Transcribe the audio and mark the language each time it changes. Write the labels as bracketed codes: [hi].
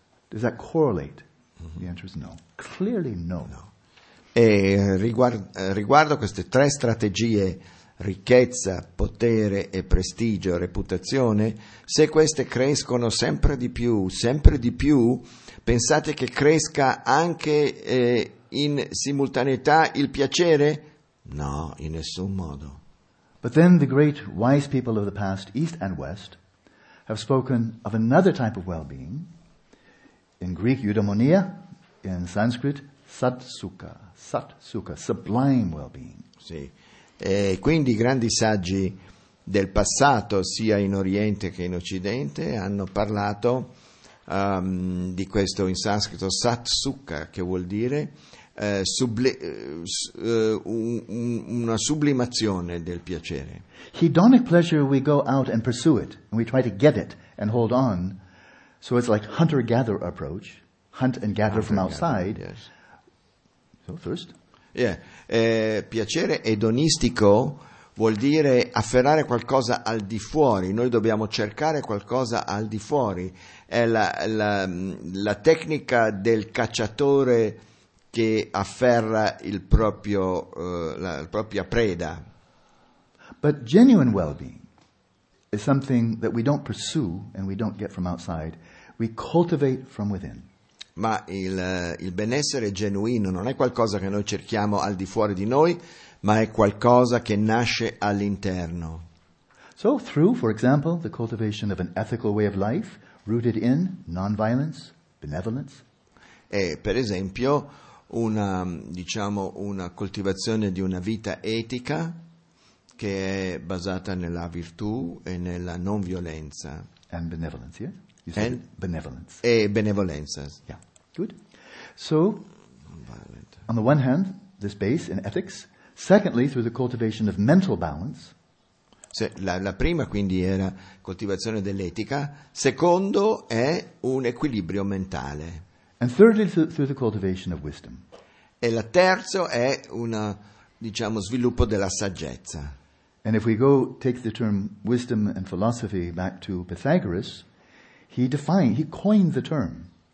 [en] Does that correlate? The answer is no. Clearly no. No. [it] E riguardo queste tre strategie, ricchezza, potere e prestigio, reputazione, se queste crescono sempre di più, pensate che cresca anche in simultaneità il piacere? No, in nessun modo. [en] But then the great wise people of the past, East and West, have spoken of another type of well-being. In Greek, eudaimonia. In Sanskrit, sat-sukha, sublime well-being. [it] Sì, e quindi i grandi saggi del passato, sia in Oriente che in Occidente, hanno parlato di questo in sanscrito sat-sukha, che vuol dire una sublimazione del piacere. [en] Hedonic pleasure, we go out and pursue it, and we try to get it and hold on, so it's like hunter-gatherer approach. Hunt and gather from outside. Yes. So first. Yeah. [it] Piacere edonistico vuol dire afferrare qualcosa al di fuori. Noi dobbiamo cercare qualcosa al di fuori. È la tecnica del cacciatore che afferra la propria preda. [en] But genuine well-being is something that we don't pursue and we don't get from outside. We cultivate from within. [it] Ma il benessere genuino non è qualcosa che noi cerchiamo al di fuori di noi, ma è qualcosa che nasce all'interno. [en] So through, for example, the cultivation of an ethical way of life rooted in non-violence, benevolence. [it] E per esempio una coltivazione di una vita etica che è basata nella virtù e nella non violenza. [en] And benevolence, yeah? You said benevolence. [it] E benevolenza. [en] Yeah. Good. So, on the one hand, this base in ethics. Secondly, through the cultivation of mental balance. [it] Se, la prima quindi era coltivazione dell'etica. Secondo è un equilibrio mentale. [en] And thirdly, through the cultivation of wisdom. [it] E la terza è una sviluppo della saggezza. [en] And if we go take the term wisdom and philosophy back to Pythagoras, he coined the term.